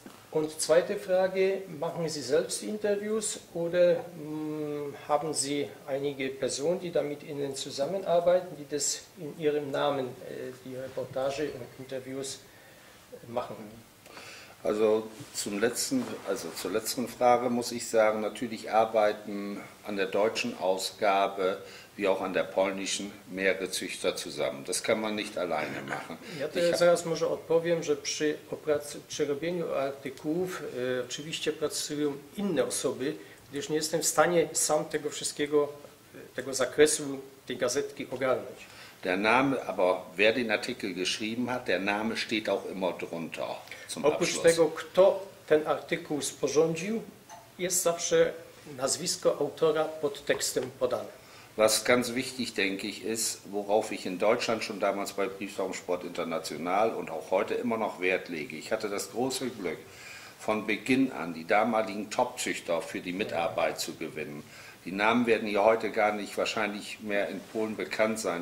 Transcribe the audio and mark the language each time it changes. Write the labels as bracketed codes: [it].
[de] Und zweite Frage, machen Sie selbst Interviews oder haben Sie einige Personen, die da mit Ihnen zusammenarbeiten, die das in Ihrem Namen, die Reportage und Interviews machen? Also zum letzten, also zur letzten Frage muss ich sagen, natürlich arbeiten an der deutschen Ausgabe wie auch an der polnischen mehrere Züchter zusammen. Das kann man nicht alleine machen. [pl] Ja, to ja zaraz może odpowiem, że przy robieniu artykułów oczywiście pracują inne osoby, gdyż nie jestem w stanie sam tego wszystkiego, tego zakresu tej gazetki ogarnąć. [de] Der Name, aber wer den Artikel geschrieben hat, der Name steht auch immer drunter. [pl] Oprócz tego, kto ten artykuł sporządził, jest zawsze nazwisko autora pod tekstem podane. [de] Was ganz wichtig, denke ich, ist, worauf ich in Deutschland schon damals bei Briefraumsport International und auch heute immer noch Wert lege. Ich hatte das große Glück, von Beginn an die damaligen Top-Züchter für die Mitarbeit zu gewinnen. Die Namen werden hier heute gar nicht wahrscheinlich mehr in Polen bekannt sein.